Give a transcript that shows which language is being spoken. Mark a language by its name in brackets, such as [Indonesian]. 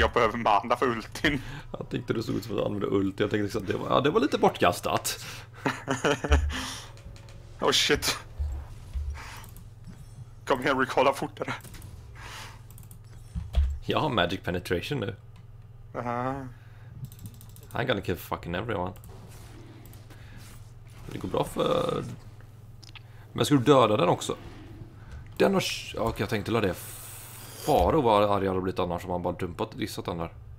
[Swedish] Jag behöver mana för ultin. Jag tänkte det såg ut som att använda ulti. Jag tänkte att det var, ja, det var lite bortkastat. [English] Oh shit. [Swedish] Kom igen, recalla fortare. Jag har magic penetration nu. [English] I'm gonna kill fucking everyone. [Swedish] Det går bra för... Men ska du döda den också? Den har... Okej, jag tänkte la det... Faro var arg hade blivit annars om han bara dumpat och dissat den där.